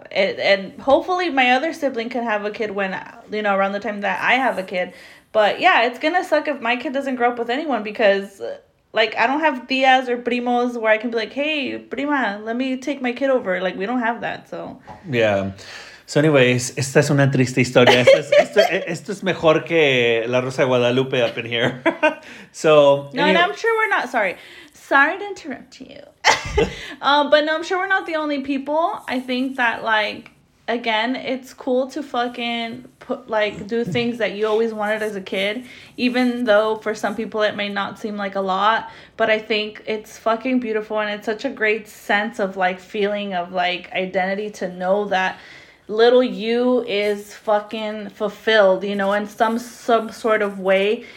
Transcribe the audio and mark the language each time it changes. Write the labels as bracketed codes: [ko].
[en] And hopefully my other sibling can have a kid when, you know, around the time that I have a kid. But yeah, it's going to suck if my kid doesn't grow up with anyone, because like, I don't have [es] tías [en] or [es] primos [en] where I can be like, hey, [es] prima, [en] let me take my kid over. Like, we don't have that. So, yeah. So anyways, [es] esta es una triste historia. Esto es mejor que La Rosa de Guadalupe [en] up in here. So, no, and I'm sure we're not. Sorry to interrupt you. But no, I'm sure we're not the only people. I think that, like, again, it's cool to fucking put, like, do things that you always wanted as a kid, even though for some people it may not seem like a lot. But I think it's fucking beautiful, and it's such a great sense of, like, feeling of, like, identity to know that little you is fucking fulfilled, you know, in some sort of way.